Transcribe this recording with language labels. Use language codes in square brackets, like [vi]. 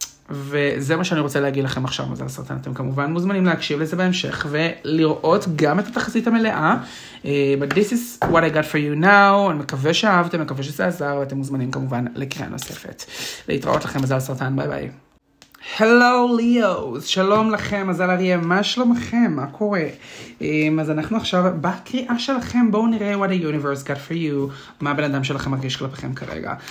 [he] וזה מה שאני רוצה להגיד לכם עכשיו, מזל סרטן. אתם כמובן מוזמנים להקשיב לזה בהמשך, ולראות גם את התחזית המלאה. [en] But this is what I got for you now. [he] אני מקווה שאהבתם, מקווה שזה עזר, ואתם מוזמנים כמובן לקריאה נוספת. להתראות לכם, מזל סרטן, ביי ביי. [en] Hello, Leos. [he] שלום לכם, מזל אריה, מה שלומכם? מה קורה? אז אנחנו עכשיו בקריאה שלכם, בואו נראה [en] what the universe got for you, [he] מה הבן אדם שלכם מרגיש כלפיכם כרגע.